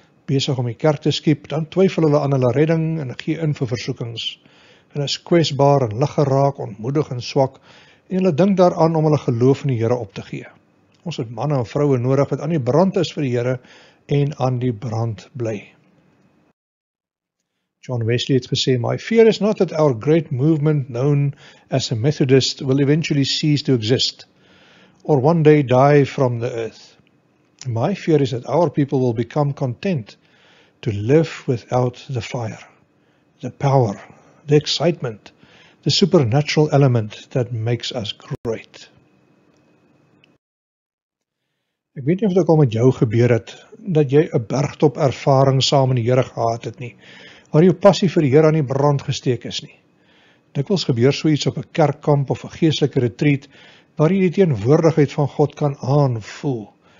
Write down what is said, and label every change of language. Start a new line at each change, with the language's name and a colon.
Afrikaans: Besig om die kerk te skiep, dan twyfel hulle aan hulle redding en gee in vir versoekings. Hulle is kwesbaar en lig geraak, ontmoedig en swak, en hulle dink daaraan om hulle geloof in die Here op te gee. Ons het manne en vroue nodig wat aan die brand is vir die Here en aan die brand bly.
English: John Wesley
Afrikaans: het gesê,
English: "My fear is not that our great movement known as a Methodist will eventually cease to exist, or one day die from the earth. My fear is that our people will become content to live without the fire, the power, the excitement, the supernatural element that makes us great."
Afrikaans: Ek weet nie of dit ook al met jou gebeur het, dat jy 'n bergtop ervaring saam in die Here gehad het nie, waar jou passie vir die Here aan die brand gesteek is nie. Dikwels gebeur so iets op 'n kerkkamp of 'n geestelike retreat, waar jy die teenwoordigheid van God kan aanvoel.